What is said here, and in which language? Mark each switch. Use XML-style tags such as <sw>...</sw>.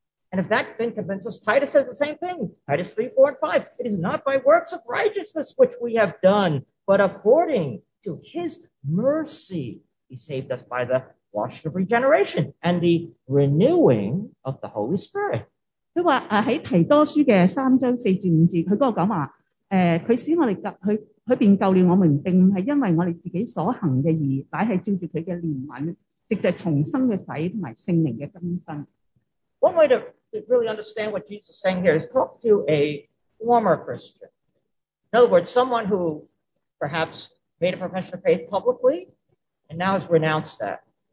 <en>And if that then convinces, Titus says the same thing, Titus 3, 4, and 5, it is not by works of righteousness which we have done, but according to his mercy, he saved us by the washing of regeneration and the renewing of the Holy Spirit.</en> <zh>他说在提多书的3章4至5节,他那个说,他便救了我们,并不是因为我们自己所行的义,乃是照着他的怜悯,直着重生的洗和圣灵的更新。</zh> <en>One way to really understand what Jesus is saying here is talk to a former Christian. In other words, someone who perhaps made a profession of faith publicly and now has renounced that.</en>